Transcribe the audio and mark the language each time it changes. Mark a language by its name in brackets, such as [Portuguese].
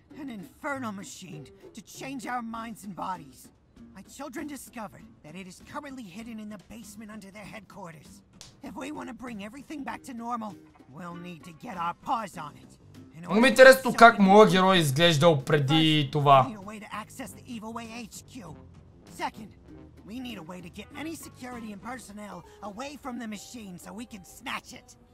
[English] An infernal machine to change our minds and bodies. My children discovered that it is currently hidden in the basement under their headquarters. If we want to bring everything back to normal, we'll need to get our paws on it. [Bulgarian] Много ми интересно как моя герой изглеждал преди това. [English] We need a way to access the Evil Way HQ. Second, we need a way to get any security and personnel away from the machine so we can snatch it.